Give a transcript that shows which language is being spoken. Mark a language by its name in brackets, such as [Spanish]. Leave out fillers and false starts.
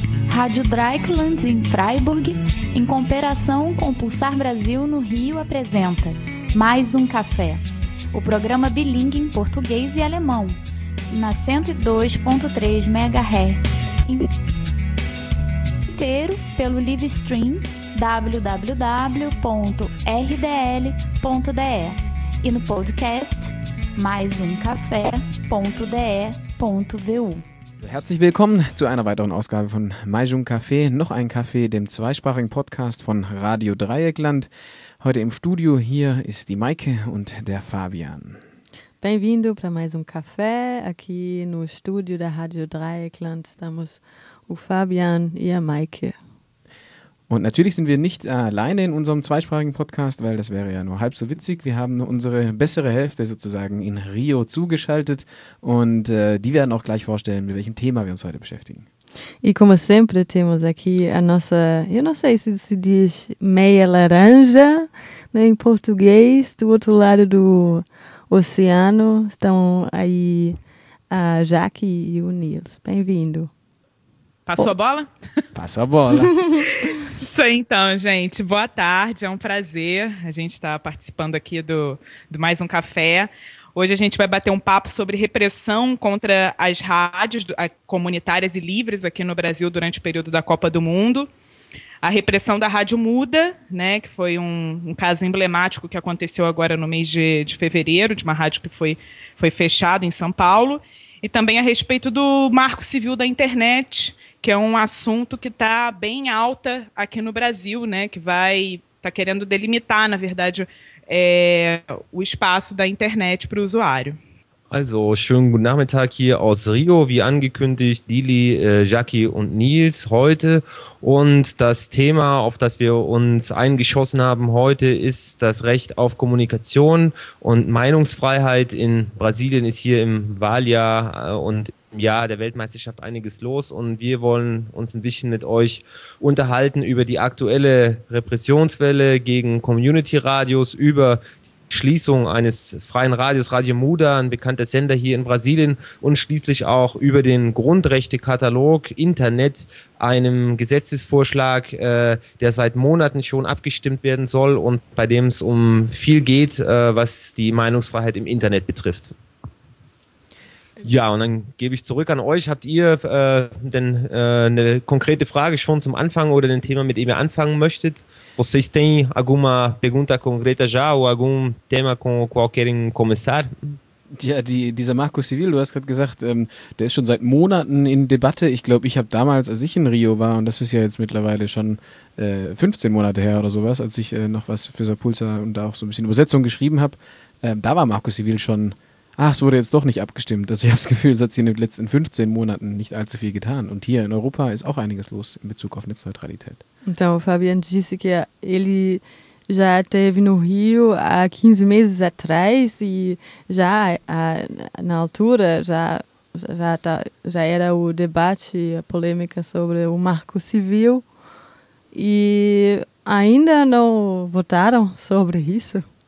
[Portuguese] Rádio Dreieckland em Freiburg, em cooperação com o Pulsar Brasil no Rio, apresenta Mais um Café, o programa bilíngue em português e alemão, na 102.3 MHz, inteiro pelo live stream www.rdl.de e no podcast maisumcafé.de.vu. [German] Herzlich willkommen zu einer weiteren Ausgabe von Maisum Café, noch ein Café, dem zweisprachigen Podcast von Radio Dreieckland. Heute im Studio hier ist die Maike und der Fabian. [Portuguese] Bem-vindo para Maisum Café, aqui no estúdio da Radio Dreieckland. Estamos o Fabian e a Maike. [German] Und natürlich sind wir nicht alleine in unserem zweisprachigen Podcast, weil das wäre ja nur halb so witzig. Wir haben unsere bessere Hälfte sozusagen in Rio zugeschaltet und die werden auch gleich vorstellen, mit welchem Thema wir uns heute beschäftigen. [Portuguese] E como sempre temos aqui a nossa, eu não sei se se diz meia laranja, né, em português, do outro lado do oceano, estão aí a Jaque e o Nils. Bem-vindo. Passou a bola? Passou a bola. Isso aí então, gente. Boa tarde, é um prazer a gente estar participando aqui do Mais um Café. Hoje a gente vai bater um papo sobre repressão contra as rádios comunitárias e livres aqui no Brasil durante o período da Copa do Mundo. A repressão da Rádio Muda, né, que foi um caso emblemático que aconteceu agora no mês de fevereiro, de uma rádio que foi fechada em São Paulo. E também a respeito do Marco Civil da Internet, que é um assunto que está bem alta aqui no Brasil, né, que vai tá querendo delimitar, na verdade, o espaço da internet para o usuário. [German] Also, schönen guten Nachmittag hier aus Rio, wie angekündigt, Dili, Jackie und Nils heute. Und das Thema, auf das wir uns eingeschossen haben heute, ist das Recht auf Kommunikation und Meinungsfreiheit. In Brasilien ist hier im Wahljahr und im Jahr der Weltmeisterschaft einiges los. Und wir wollen uns ein bisschen mit euch unterhalten über die aktuelle Repressionswelle gegen Community-Radios, über Schließung eines freien Radios, Radio Muda, ein bekannter Sender hier in Brasilien, und schließlich auch über den Grundrechtekatalog Internet, einem Gesetzesvorschlag, der seit Monaten schon abgestimmt werden soll und bei dem es um viel geht, was die Meinungsfreiheit im Internet betrifft. Ja, und dann gebe ich zurück an euch. Habt ihr denn eine konkrete Frage schon zum Anfang oder ein Thema, mit dem ihr anfangen möchtet? [Portuguese] Vocês têm alguma pergunta concreta já ou algum tema com o qual querem começar? [German] Ja, dieser Marco Civil, du hast gerade gesagt, der ist schon seit Monaten in Debatte. Ich glaube, ich habe damals, als ich in Rio war, und das ist ja jetzt mittlerweile schon 15 Monate her oder sowas, als ich noch was für Sapulsa und da auch so ein bisschen Übersetzung geschrieben habe, da war Marco Civil schon, es wurde jetzt doch nicht abgestimmt. Also ich habe das Gefühl, es hat sich in den letzten 15 Monaten nicht allzu viel getan. Und hier in Europa ist auch einiges los in Bezug auf Netzneutralität. [Portuguese] Então, o Fabian disse que ele já esteve no Rio há 15 meses atrás e já na altura já era o debate, a polêmica sobre o Marco Civil e ainda não votaram sobre isso.